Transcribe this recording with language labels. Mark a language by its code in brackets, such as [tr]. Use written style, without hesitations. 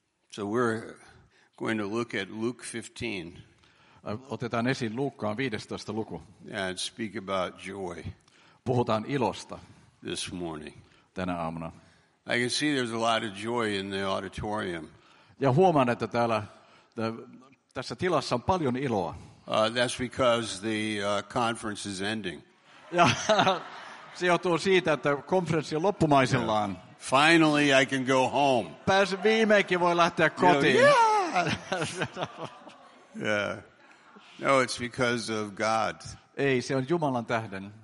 [en] So we're going to look at Luke 15. [fi] Otetaan esiin Luukkaan 15. luku. [en] And speak about joy. [fi] Puhutaan ilosta. [en] This morning. [fi] Tänä aamuna. [en] I can see there's a lot of joy in the auditorium. [fi] Ja huomaan, että täällä tässä tilassa on paljon iloa. [en] That's because the conference is ending. [fi] Ja se johtuu siitä, että konferenssi on loppumaisillaan. [en] Yeah. Finally, I can go home. [fi] Pääsen viimeinkin, voi lähteä kotiin. [en] You know, yeah. Yeah. No, it's because of God. Ei, se on Jumalan tähden.